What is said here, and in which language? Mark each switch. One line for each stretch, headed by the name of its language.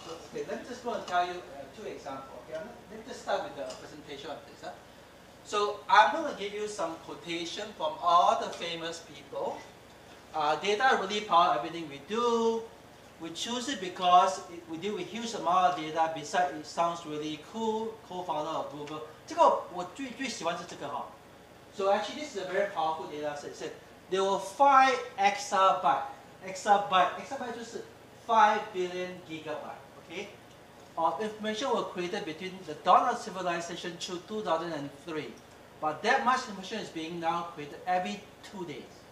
English: Okay, let me just want to tell you two examples. Okay, let me just start with the presentation of this. So I'm going to give you some quotation from all the famous people. Data really power everything we do. We choose it because we deal with huge amount of data. Besides, it sounds really cool. Co-founder of Google.
Chinese: 这个我最喜欢是这个哈。
English: So actually, this is a very powerful data set. It said there were 5 exabytes
Chinese: 就是
English: 5 billion gigabytes. Okay. Information was created between the dawn of civilization to 2003, but that much information is being now created every 2 days.